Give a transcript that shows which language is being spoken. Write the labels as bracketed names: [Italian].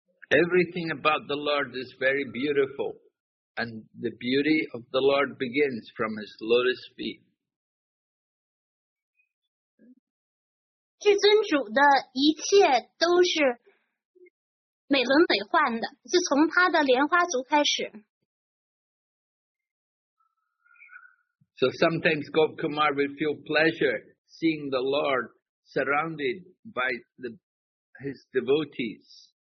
[English] Everything about the Lord is very beautiful, and the beauty of the Lord begins from His lotus feet. [Chinese] 至尊主的一切都是美轮美奂的，是从他的莲花足开始。 [English] So sometimes Gopkumar will feel pleasure seeing the Lord surrounded by the His devotees.